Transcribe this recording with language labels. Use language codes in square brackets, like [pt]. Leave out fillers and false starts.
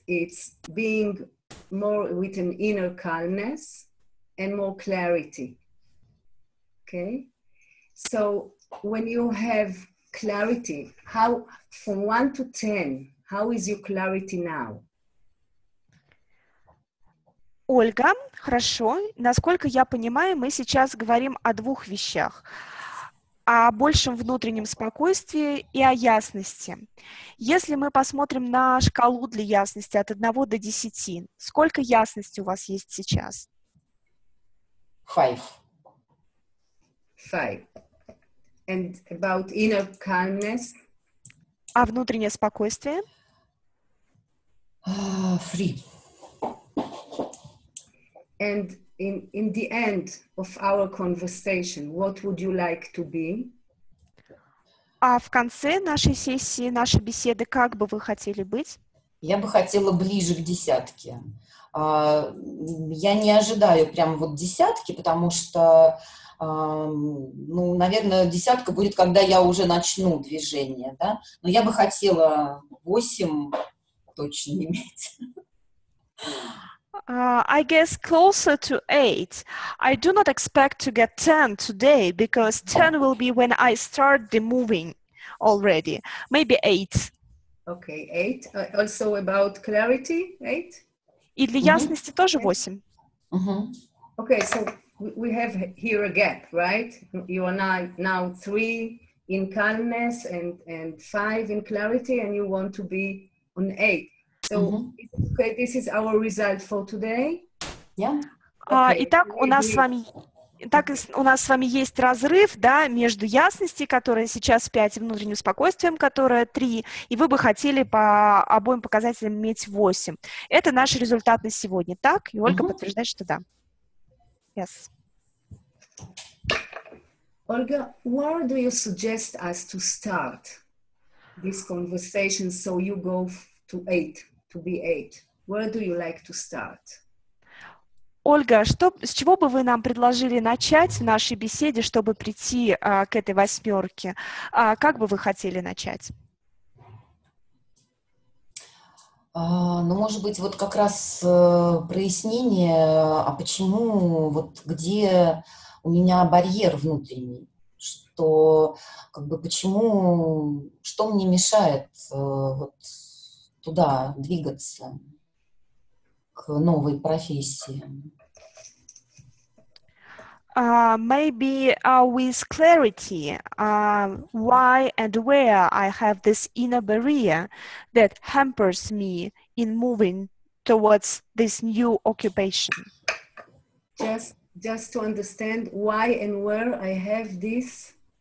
[en] It's being more with an inner calmness and more clarity. Okay? So, when you have clarity, how, from 1 to 10, how is your clarity now? [ru] Ольга, хорошо. Насколько я понимаю, мы сейчас говорим о двух вещах. О большем внутреннем спокойствии и о ясности. Если мы посмотрим на шкалу для ясности от 1 до 10, сколько ясности у вас есть сейчас? 5. [en] And about inner calmness? [ru] А внутреннее спокойствие? 3. [en] And in the end of our conversation, what would you like to be? [ru] А в конце нашей сессии, нашей беседы, как бы вы хотели быть? Я бы хотела ближе к десятке. Я не ожидаю прям вот десятки, потому что, ну, наверное, десятка будет, когда я уже начну движение, да? Но я бы хотела 8 точно иметь. [en] I guess closer to 8. I do not expect to get 10 today, because 10 will be when I start the moving already. Maybe 8. Okay, 8. Also about clarity, 8? [ru] И для ясности тоже 8. [en] Okay, so we have here a gap, right? You are now 3 in calmness and 5 in clarity, and you want to be on 8. So, okay, this is our result for today. Yeah. Okay. [ru] Итак, у нас с вами, так, у нас с вами есть разрыв, да, между ясностью, которая сейчас 5, и внутренним спокойствием, которое 3, и вы бы хотели по обоим показателям иметь 8. Это наш результат на сегодня, так? И Ольга подтверждает, что да. [en] Yes. Olga, where do you suggest us to start this conversation so you go to 8, to be 8. Where do you like to start? [ru] Ольга, что, с чего бы вы нам предложили начать в нашей беседе, чтобы прийти к этой восьмерке? Как бы вы хотели начать? Ну, может быть, вот как раз прояснение, а почему, вот где у меня барьер внутренний? Что, как бы, почему, что мне мешает вот туда двигаться, к новой профессии. [en] Maybe with clarity, why and where I have this inner barrier that hampers me in moving towards this new occupation. Just to understand why and where I have this?